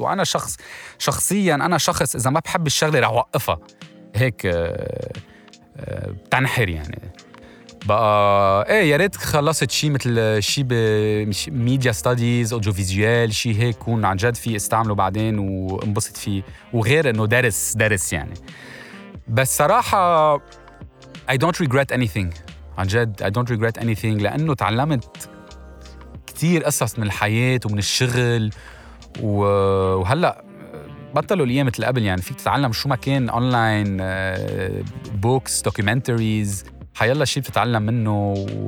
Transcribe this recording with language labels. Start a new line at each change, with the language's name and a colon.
Arabic: وأنا شخصياً إذا ما بحب الشغلة رح أوقفها هيك، بتنحر يعني. بقى إيه، يا ريت خلصت شيء مثل شيء بميديا ستاديز، أوديو فيزيوال، شيء هيك كون عن جد فيه استعمله بعدين وانبسط فيه، وغير إنه درس يعني. بس صراحة
English: I don't regret anything.
Arabic: عن جد
English: I don't regret anything،
Arabic: لأنه تعلمت كتير قصص من الحياة ومن الشغل، وهلأ بطلوا الأيام مثل قبل، يعني فيك تتعلم شو ما كان أونلاين، بوكس، دوكيومنتريز، حيالله شي بتتعلم منه.